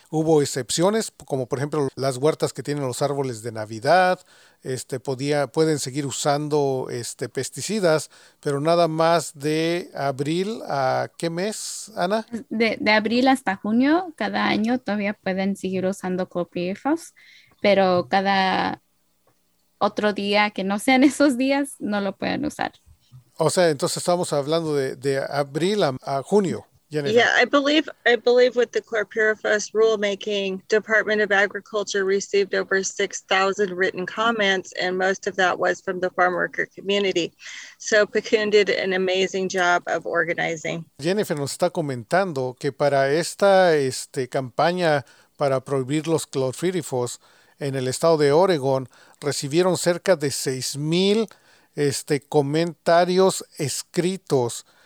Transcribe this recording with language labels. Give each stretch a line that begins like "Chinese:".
Spanish: Hubo excepciones, como por ejemplo las huertas que tienen los árboles de Navidad, pueden seguir usando pesticidas, pero nada más de abril a ¿qué mes, Ana? De abril hasta junio, cada año todavía pueden seguir usando clopyrifos, pero cada otro día que no sean esos días, no lo pueden usar. O sea, entonces estamos hablando de abril a junio.
English: Yeah, I believe with the chlorpyrifos rulemaking, Department of Agriculture received over 6,000 written comments, and most of that was from the farm worker community. So Pecun did an amazing job of organizing.
Spanish: Jennifer nos está comentando que para esta campaña para prohibir los clorpirifos en el estado de Oregon, recibieron cerca de 6,000 comentarios escritos.